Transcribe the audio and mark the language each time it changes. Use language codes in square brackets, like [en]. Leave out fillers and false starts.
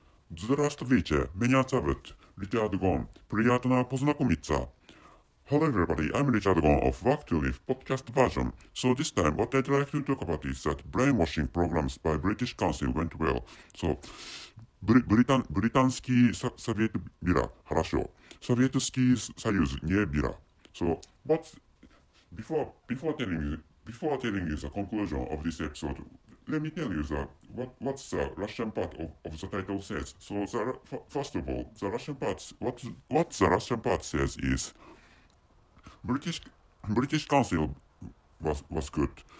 [ru] Здравствуйте, меня зовут Ричард Гон. Приятно познакомиться. [en] Hello everybody, I'm Richard Gong of Work to Live podcast version. So this time what I'd like to talk about is that brainwashing programs by British Council went well. [ru] So, британский совет было, хорошо. Советский Союз не было. [en] So, but before telling you the conclusion of this episode, let me tell you what's the Russian part of the title says. So, first of all, the Russian part, what the Russian part says is, British Council was good.